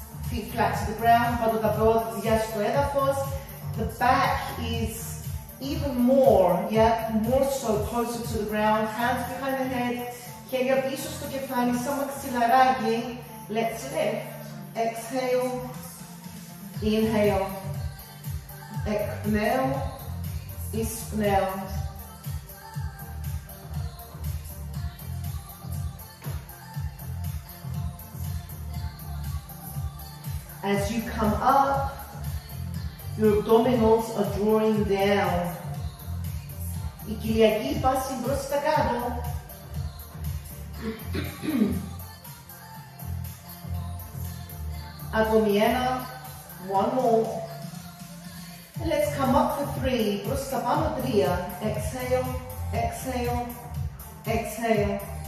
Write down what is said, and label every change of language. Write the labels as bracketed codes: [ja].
[en] Feet flat to the ground, [el] πάνω τα πόδια στο έδαφος. [en] The back is even more, yeah, more so closer to the ground. Hands behind the head, [el] χέρια πίσω στο κεφάλι, σαν μαξιλαράκι. [en] Let's lift. Exhale. Inhale. [el] Εκπνέω. Εισπνέω. [en] As you come up, your abdominals are drawing down. [el] Οι κοιλιακοί πάσουν προς τα κάτω. Ακόμη ένα, [en] one more. And let's come up for 3, [el] προς τα πάνω 3. [en] Exhale, exhale, exhale.